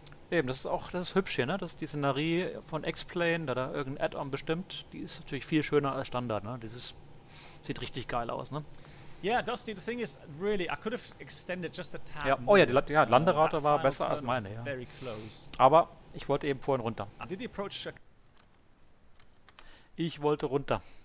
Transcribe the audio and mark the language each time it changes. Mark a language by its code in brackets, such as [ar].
[de] Eben, das ist auch, das ist hübsch hier, ne? Das ist die Szenerie von X-Plane, da irgendein Add-on bestimmt. Die ist natürlich viel schöner als Standard, ne? Dieses sieht richtig geil aus, ne? [en] Yeah, Dusty, the thing is, really, I could have extended just a tad. [de] Ja, oh ja, die Landerate war besser als meine, ja. [en] Very close. [de] Aber ich wollte eben vorhin runter. [en] Did the approach check? [de] Ich wollte runter.